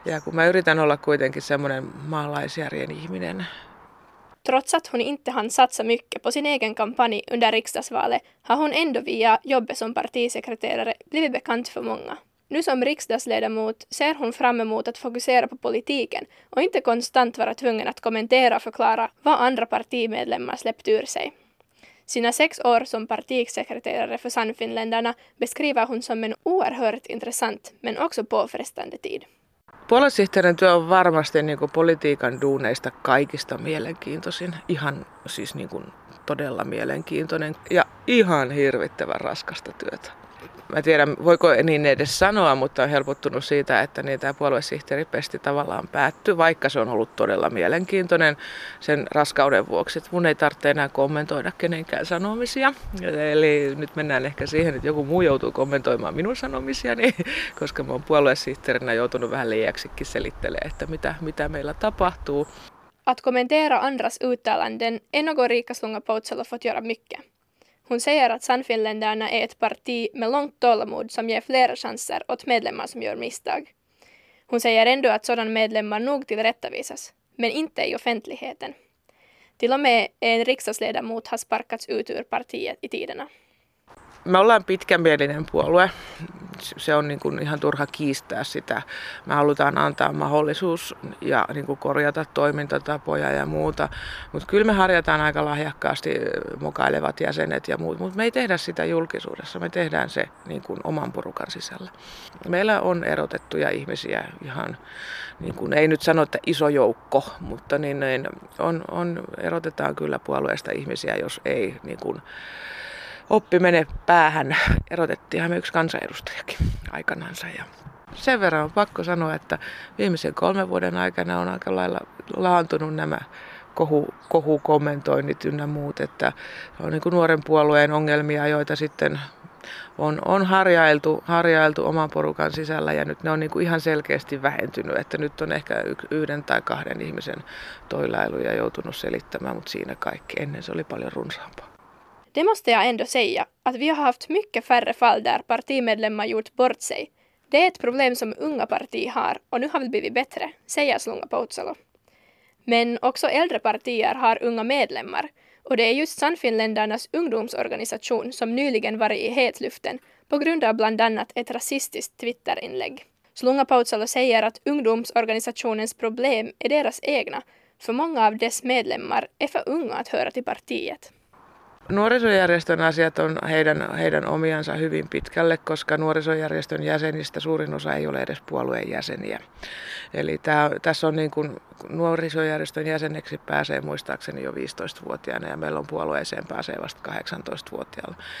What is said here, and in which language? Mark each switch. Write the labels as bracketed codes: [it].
[fi] Ja kun mä yritän olla kuitenkin semmoinen maalaisjärjen ihminen. [sv] Trots att hon inte hann satsa mycket på sin egen kampanj under riksdagsvalet har hon ändå via jobbet som partisekreterare blivit bekant för många. Nu som riksdagsledamot ser hon fram emot att fokusera på politiken och inte konstant vara tvungen att kommentera och förklara vad andra partimedlemmar släppt ur sig. Sina 6 år som partisekreterare för Sannfinländarna beskriver hon som en oerhört intressant men också påfrestande tid. [fi] Puoluesihteerin työ on varmasti niin kuin politiikan duuneista kaikista mielenkiintoisin, ihan siis niin kuin todella mielenkiintoinen ja ihan hirvittävän raskasta työtä. Mä tiedän, voiko niin edes sanoa, mutta on helpottunut siitä, että niin tämä puoluesihteeripesti tavallaan päättyi, vaikka se on ollut todella mielenkiintoinen sen raskauden vuoksi. Mun ei tarvitse enää kommentoida kenenkään sanomisia. Eli nyt mennään ehkä siihen, että joku muu joutuu kommentoimaan minun sanomisiani, koska mä oon puoluesihteerinä joutunut vähän liiaksikin selittelemään, että mitä meillä tapahtuu. [sv] Att kommentera andras uttalanden är något Rikaslunga Poutsalo fått göra mycket. Hon säger att Sannfinländarna är ett parti med långt tålamod som ger flera chanser åt medlemmar som gör misstag. Hon säger ändå att sådana medlemmar nog tillrättavisas, men inte i offentligheten. Till och med en riksdagsledamot har sparkats ut ur partiet i tiderna. [fi] Me ollaan pitkämielinen puolue. Se on niin kuin ihan turha kiistää sitä. Me halutaan antaa mahdollisuus ja niin kuin korjata toimintatapoja ja muuta. Mutta kyllä me harjataan aika lahjakkaasti mokailevat jäsenet ja muut. Mutta me ei tehdä sitä julkisuudessa. Me tehdään se niin kuin oman porukan sisällä. Meillä on erotettuja ihmisiä ihan, niin kuin, ei nyt sano, että iso joukko, mutta on erotetaan kyllä puolueesta ihmisiä, jos ei... Niin kuin, oppi menee päähän. Erotettiinhan me yksi kansanedustajakin aikanansa. Ja sen verran on pakko sanoa, että viimeisen 3 vuoden aikana on aika lailla laantunut nämä kohukommentoinnit ynnä muut. Että on niin kuin nuoren puolueen ongelmia, joita sitten on harjailtu oman porukan sisällä. Ja nyt ne on niin kuin ihan selkeästi vähentynyt. Että nyt on ehkä yhden tai kahden ihmisen toilailuja joutunut selittämään, mutta siinä kaikki. Ennen se oli paljon runsaampaa. [sv] Det måste jag ändå säga, att vi har haft mycket färre fall där partimedlemmar gjort bort sig. Det är ett problem som unga partier har och nu har väl blivit bättre, säger Slunga Poutsalo. Men också äldre partier har unga medlemmar och det är just Sannfinländarnas ungdomsorganisation som nyligen var i hetluften på grund av bland annat ett rasistiskt Twitterinlägg. Slunga Poutsalo säger att ungdomsorganisationens problem är deras egna, för många av dess medlemmar är för unga att höra till partiet. [fi] Nuorisojärjestön asiat on heidän omiansa hyvin pitkälle, koska nuorisojärjestön jäsenistä suurin osa ei ole edes puolueen jäseniä. Eli tässä on niin kuin nuorisojärjestön jäseneksi pääsee muistaakseni jo 15-vuotiaana ja meillä on puolueeseen pääsee vasta 18-vuotiaalla.